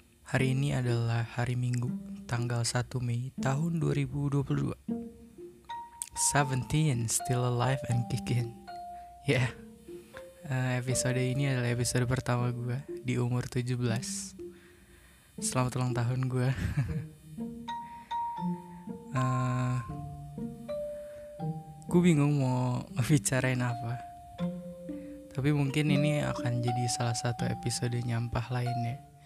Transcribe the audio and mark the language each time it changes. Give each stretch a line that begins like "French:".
Indonesian: Hari ini adalah hari Minggu, tanggal 1 Mei tahun 2022.
English: 17, still alive and kicking.
Indonesian: Yeah, episode ini adalah episode pertama gue di umur 17. Selamat ulang tahun gue. Gue bingung mau bicarain apa. Tapi mungkin ini akan jadi salah satu episode nyampah lainnya.